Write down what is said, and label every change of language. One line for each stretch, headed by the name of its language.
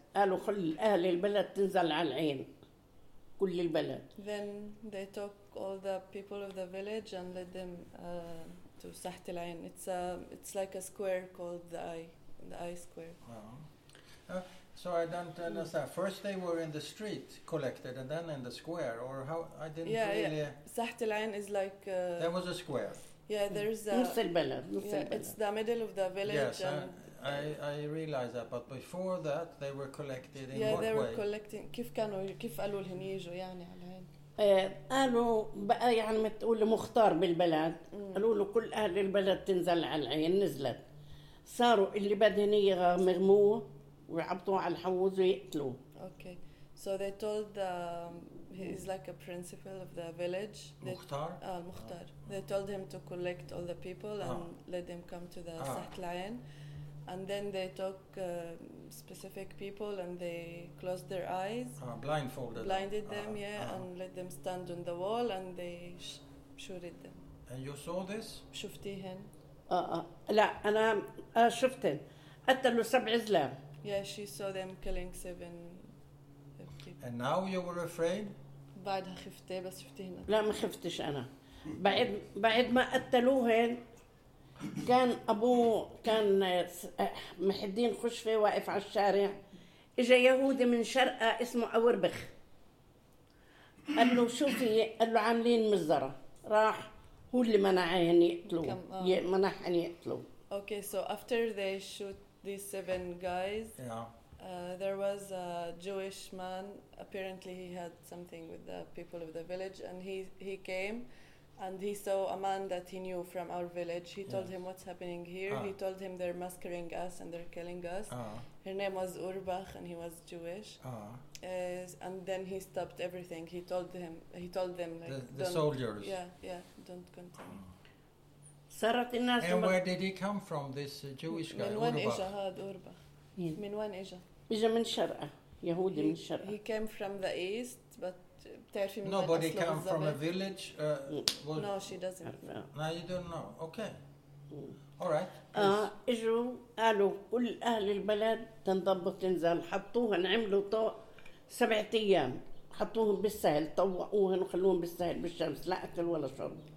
Arabic: قالوا خل أهل البلد تنزل على العين كل البلد.
English: Then they took all the people of the village and led them to Saht El Ayn. It's like a square called the eye square. So I don't understand. First they were in the street collected and then in the square or how I didn't really. Saht El Ayn is like. There was a square. Yeah, there's a.
Arabic: نص البلد.
English: Yeah, it's the middle of the village. Yes, I realize that, but before that, they were collected in yeah, what way? Yeah, they were collecting.
Arabic: كيف كانوا كيف قالوا لهم يجوا يعني على هين؟ قالوا بقى يعني متقول مختار بالبلد. قالوا له كل أهل البلد تنزل على العين نزلت. صاروا اللي بدهن يغمغموه ويعبطوا على الحوض ويقتلوا.
English: Okay, so they told he's like a principal of the village.
Arabic: مختار. المختار.
English: They told him to collect all the people and let them come to the Saht El Ayn. And then they took specific people and they closed their eyes. Blinded them, yeah, and let them stand on the wall and they shot at them. And you saw this?
Arabic: شفتيهن. لا أنا شفتن. قتلوا سبع زلام.
English: Yeah, she saw them killing seven people. And now you were afraid?
Arabic: بعدها خفتي بس شفتيهن. لا ما خفتش أنا. بعد ما قتلوهن كان أبوه كان محدين خشفة واقف على الشارع إجا يهودي من شرقة اسمه أوربخ قال له شوفي قال له عاملين مزرة راح هو اللي منعهن يقتلوا منعهن يقتلوا
English: Okay, so after they shoot these seven guys there was a Jewish man apparently he had something with the people of the village and he came And he saw a man that he knew from our village. He told him what's happening here. He told him they're massacring us and they're killing us. Her name was Urbach and he was Jewish. And then he stopped everything. He told them like, the soldiers. Yeah, don't continue. And where did he come from, this Jewish guy,
Arabic: من وين إجا هاد أورباخ؟ من وين إجا؟ إجا من شرقة. يهودي من شرقة.
English: He came from the east, but. Nobody came from a village. No, she doesn't. No, you don't know. Okay. All right.
Arabic: إجوا قالوا كل أهل البلد تنضب وتنزل حطوهن عملوا طوق سبعة أيام حطوهن بالسهل طوقوهن وخلوهن بالسهل بالشمس لا أكل ولا شرب.